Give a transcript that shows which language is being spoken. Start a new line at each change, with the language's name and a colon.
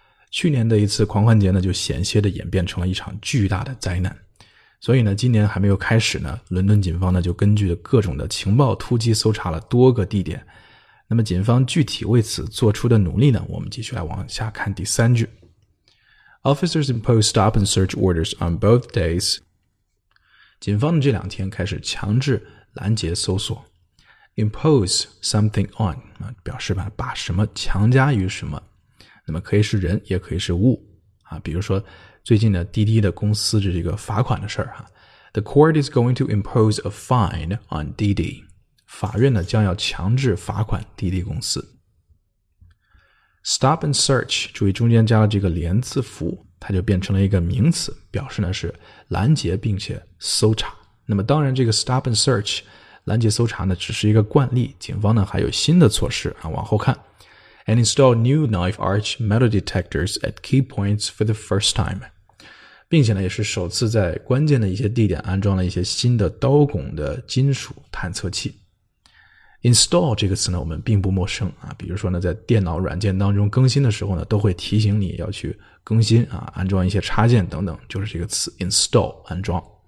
Chinese: 去年的一次狂欢节呢，就险些的演变成了一场巨大的灾难。所以呢，今年还没有开始呢，伦敦警方呢就根据各种的情报突击搜查了多个地点。那么警方具体为此做出的努力呢，我们继续来往下看第三句。
English: Officers imposed stop and search orders on both days.
Chinese: 警方的这两天开始强制拦截搜索。
English: impose something on,
Chinese: 表示把什么强加于什么。那么可以是人也可以是物。比如说最近的滴滴的公司的这个罚款的事儿啊。
English: The court is going to impose a fine on 滴滴。
Chinese: 法院呢将要强制罚款滴滴公司。 Stop and search, 注意中间加了这个连字符，它就变成了一个名词，表示呢是拦截并且搜查。那么当然这个 stop and search, 拦截搜查呢只是一个惯例，警方呢还有新的措施啊，往后看。
English: And install new knife arch metal detectors at key points for the first time.
Chinese: 并且呢也是首次在关键的一些地点安装了一些新的刀拱的金属探测器。 Install 这个词呢我们并不陌生啊，比如说呢在电脑软件当中更新的时候呢都会提醒你要去更新啊，安装一些插件等等，就是这个词 install 安装。